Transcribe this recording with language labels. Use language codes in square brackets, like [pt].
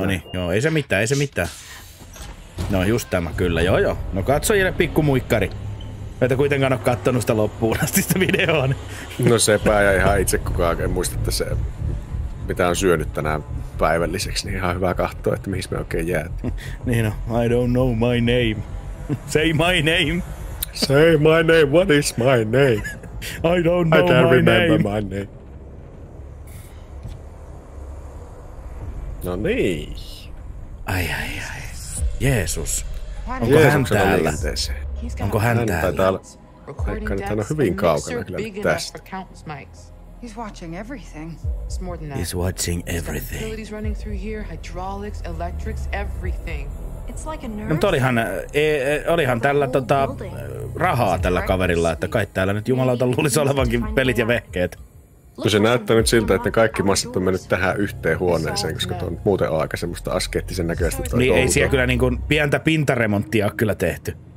[fi] No niin, joo, ei se mitään. No just tämä, kyllä, joo. No katsojille pikku muikkari. Meitä kuitenkaan oo kattonut sitä loppuun asti sitä videoa. No sepä ja ihan itse kukaan en muista, että se mitä on syönyt tänään päivälliseksi, niin ihan hyvä katsoa, että mihin me oikein jäät. Niin no, [en] I don't know my name. Say my name, what is my name? I don't know my name. I can't remember my name. [fi] No niin. Ai. Jeesus. Onko hän täällä? Onko hän täällä? Täällä? Vaikka nyt hän on hyvin kaukana kyllä tästä. [en] He's watching everything. It's more than that. He's watching everything. Utilities running through here, hydraulics, electrics, everything. It's like a nerve. [fi] Olihan tällä rahaa tällä kaverilla, että kai täällä nyt jumalauta luulisi olevankin pelit ja vehkeet. No se näyttää nyt siltä, että kaikki massat on mennyt tähän yhteen huoneeseen, koska tuo on muuten aika semmoista askeettisen näköistä. Niin outo. Ei siellä kyllä niin kuin pientä pintaremonttia ole kyllä tehty.